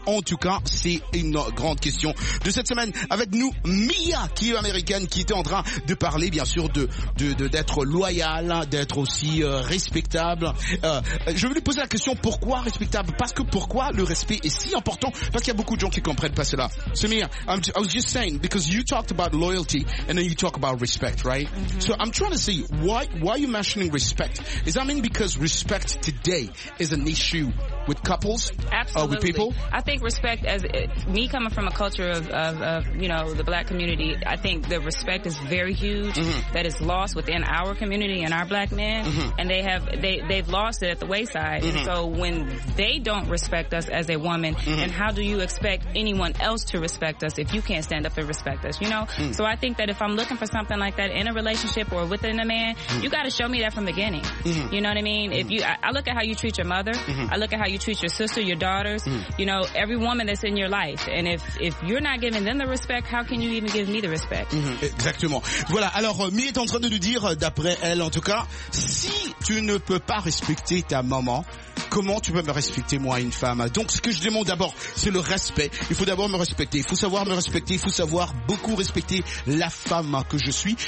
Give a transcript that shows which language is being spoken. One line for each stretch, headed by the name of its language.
French: En tout cas, c'est une grande question de cette semaine. Avec nous, Mia, qui est américaine, qui est en train de parler, bien sûr, culture de d'être loyal, d'être aussi respectable. Je voulais poser la question, pourquoi respectable? Parce que pourquoi le respect est si important? Parce qu'il y a beaucoup de gens qui comprennent pas cela.
English: Samir, I was just saying, because you talked about loyalty and then you talk about respect, right? Mm-hmm. So I'm trying to say, why are you mentioning respect? Is that mean because respect today is an issue with couples? Absolutely. With people? I think respect, as me coming from a culture of you know, the black community, I think the respect is very huge, mm-hmm. that is lost within our community and our black men, mm-hmm. and they've lost it at the wayside. Mm-hmm. And so when they don't respect us as a woman, mm-hmm. and how do you expect anyone else to respect us if you can't stand up and respect us, you know? Mm. So I think that if I'm looking for something like that in a relationship or within a man, mm. you got to show me that from the beginning. Mm-hmm. You know what I mean? Mm. If you, I look at how you treat your mother. Mm-hmm. I look at how you treat your sister, your daughters, mm. you know, every woman that's in your life. And if you're not giving them the respect, how can you even give me the respect?
French: Mm-hmm. Exactement. Voilà. Alors, Mie est en train de nous dire, d'après elle, en tout cas, si tu ne peux pas respecter ta maman, comment tu peux me respecter, moi, une femme? Donc, ce que je demande d'abord, c'est le respect. Il faut d'abord me respecter. Il faut savoir me respecter. Il faut savoir beaucoup respecter la femme que je suis.